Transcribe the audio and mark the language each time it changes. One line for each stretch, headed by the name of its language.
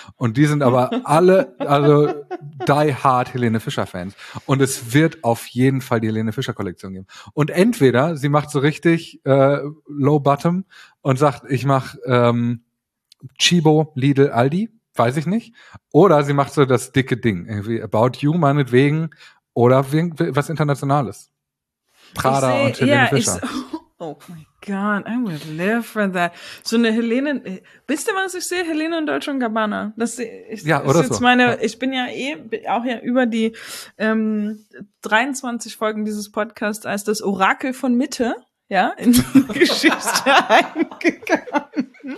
German: Und die sind aber alle, also die hard Helene Fischer Fans. Und es wird auf jeden Fall die Helene Fischer Kollektion geben. Und entweder sie macht so richtig
English: low bottom
German: und sagt, ich mach Chibo, Lidl, Aldi. Weiß ich nicht. Oder sie macht so das dicke Ding. Irgendwie About You meinetwegen. Oder was Internationales. Prada und Helene Fischer.
English: Oh my God, I would live for that.
German: So eine Helene, wisst ihr was ich sehe? Helene und Dolce & Gabbana. Das ist, ja, oder ist jetzt so. Meine, ich bin ja eh auch ja über die 23 Folgen dieses Podcasts als das Orakel von Mitte, ja, in die Geschichte eingegangen.